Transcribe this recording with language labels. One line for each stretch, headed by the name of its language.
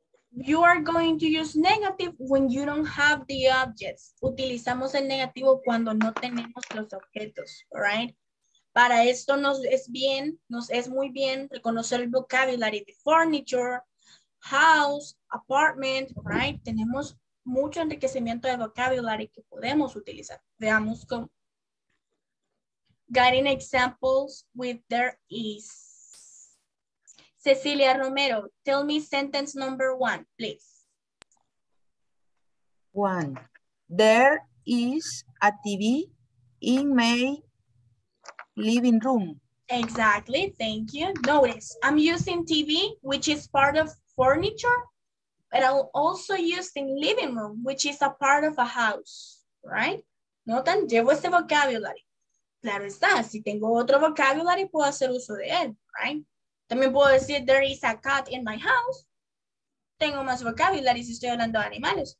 English: You are going to use negative when you don't have the objects.
Spanish: Utilizamos el negativo cuando no tenemos los objetos, all right? Para esto nos es muy bien reconocer el vocabulary de furniture, house, apartment, right? Tenemos mucho enriquecimiento de vocabulary que podemos utilizar. Veamos cómo.
English: Getting examples with there is. Cecilia Romero, tell me sentence number one, please. One. There is a TV in my living room. Exactly. Thank you. Notice, I'm using TV, which is part of furniture, but I'm also using living room, which is a part of a house, right?
Spanish: Notan, llevo este vocabulary. Claro está. Si tengo otro vocabulary, puedo hacer uso de él, right? También puedo decir,
English: there is a cat in my house.
Spanish: Tengo más vocabulary si estoy hablando de animales.